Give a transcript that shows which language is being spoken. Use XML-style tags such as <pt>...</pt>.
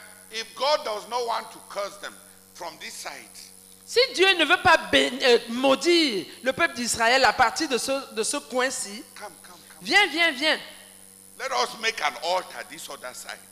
<en>if God does not want to curse them from this side.</en> <fr>Si Dieu ne veut pas maudire le peuple d'Israël à partir de ce coin-ci,</fr> <en>come.</en> <fr>Viens.</fr> <en>Let us make an altar this other side.</en>